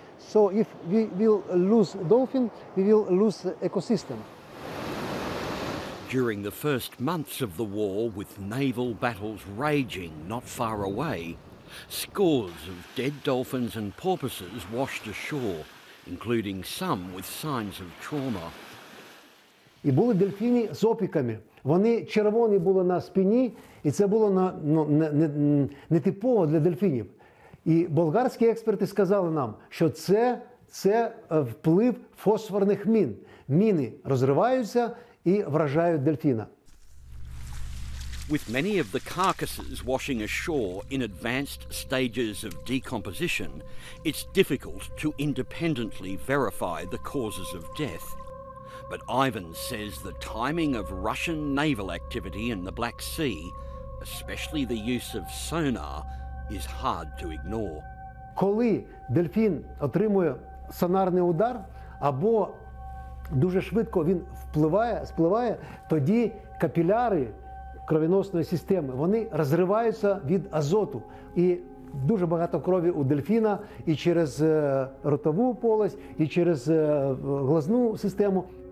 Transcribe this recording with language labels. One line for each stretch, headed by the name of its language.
English: So if we will lose dolphin, we will lose ecosystem. During the first months of the war, with naval battles raging not far away, scores of dead dolphins and porpoises washed ashore, including some with signs of trauma.
Ukrainian: І були дельфіні з опіками. Вони червоні були на спині, і це було на, ну, не типово для дельфінів. І болгарські експерти сказали нам, що це вплив фосфорних мін. Міни розриваються і вражають дельфіна.
English: With many of the carcasses washing ashore in advanced stages of decomposition, it's difficult to independently verify the causes of death. But Ivan says the timing of Russian naval activity in the Black Sea, especially the use of sonar, is hard to ignore.
Ukrainian: Коли дельфін отримує сонарний удар або дуже швидко він спливає, тоді капіляри кровоносної системи, вони розриваються від азоту. І дуже багато крові у дельфіна і через ротову полость, і через глазну систему.